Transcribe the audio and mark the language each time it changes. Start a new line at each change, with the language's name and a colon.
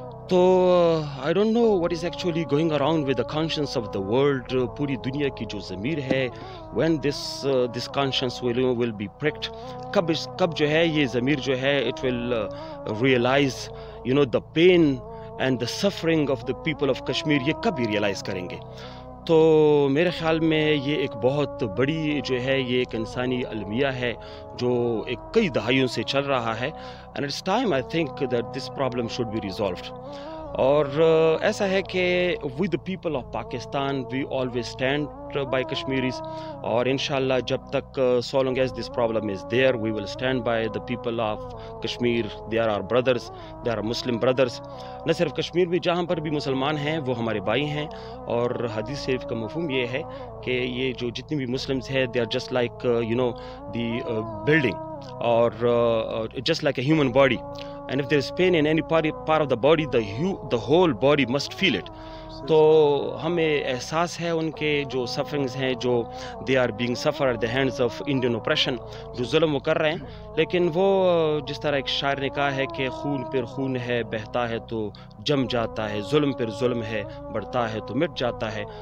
English: So I don't know what is actually going around with the conscience of the world,
Urdu: puri duniya ki jo zameer hai,
English: when this conscience will be pricked,
Urdu: kab jo hai ye zameer jo hai
English: it will realize, you know, the pain and the suffering of the people of Kashmir,
Urdu: ye kab realize karenge. تو میرے خیال میں یہ ایک بہت بڑی جو ہے یہ ایک انسانی المیہ ہے جو ایک کئی دہائیوں سے چل رہا ہے.
English: And it's time I think that this problem should be resolved.
Urdu: اور ایسا ہے کہ
English: with people of Pakistan we always stand by Kashmiris,
Urdu: اور انشاءاللہ جب تک
English: So long as this problem is there we will stand by the people of Kashmir. They are our brothers, they are Muslim brothers.
Urdu: نہ صرف کشمیر میں, جہاں پر بھی مسلمان ہیں وہ ہمارے بھائی ہیں. اور حدیث شریف کا مفہوم یہ ہے کہ یہ جو جتنے بھی مسلمز ہیں
English: they are just like you know the building,
Urdu: اور
English: Just like a human body. And if there is pain in any part of the body, the whole body must feel it.
Urdu: تو ہمیں احساس ہے ان کے جو سفرنگز ہیں, جو
English: they are being suffer at the hands of Indian operation,
Urdu: جو ظلم وہ کر رہے ہیں. لیکن وہ جس طرح ایک شاعر نے کہا ہے کہ خون پر خون ہے بہتا ہے تو جم جاتا ہے, ظلم پر ظلم ہے بڑھتا ہے تو مٹ جاتا ہے.